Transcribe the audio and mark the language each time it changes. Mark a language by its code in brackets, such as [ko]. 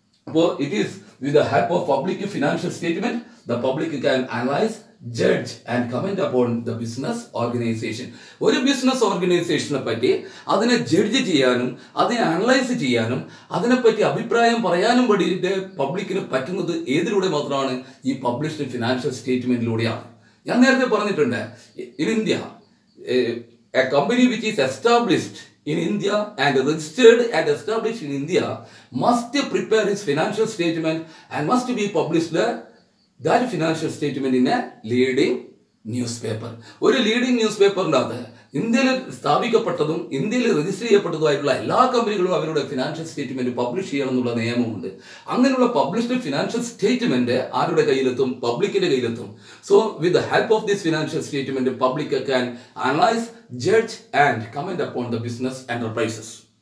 [en] അപ്പോൾ it is with the help of public financial statement the public can analyse judge and comment upon the business organization. [ml] ഒരു business ഓർഗനൈസേഷനെ പറ്റി അതിനെ judge ചെയ്യാനും അതിനെ അനലൈസ് ചെയ്യാനും അതിനെപ്പറ്റി അഭിപ്രായം പറയാനും വേണ്ടിയിട്ട് പബ്ലിക്കിന് പറ്റുന്നത് ഏതിലൂടെ മാത്രമാണ്? ഈ പബ്ലിഷ്ഡ് ഫിനാൻഷ്യൽ സ്റ്റേറ്റ്മെന്റിലൂടെയാണ്. ഞാൻ നേരത്തെ പറഞ്ഞിട്ടുണ്ട്, [en] In India a company which is established in India and registered and established in India must prepare its financial statement and must be published that financial statement in a leading newspaper. [ml] ഒരു leading news പേപ്പറിനകത്ത് ഇന്ത്യയിൽ സ്ഥാപിക്കപ്പെട്ടതും ഇന്ത്യയിൽ register ചെയ്യപ്പെട്ടതുമായിട്ടുള്ള എല്ലാ കമ്പനികളും അവരുടെ financial statement publish ചെയ്യണം എന്നുള്ള നിയമമുണ്ട്. അങ്ങനെയുള്ള പബ്ലിഷ്ഡ് ഫിനാൻഷ്യൽ സ്റ്റേറ്റ്മെന്റ് ആരുടെ കയ്യിലെത്തും? പബ്ലിക്കിന്റെ കയ്യിലെത്തും. [en] So with the help of this financial statement public can analyse, judge and comment upon the business enterprises.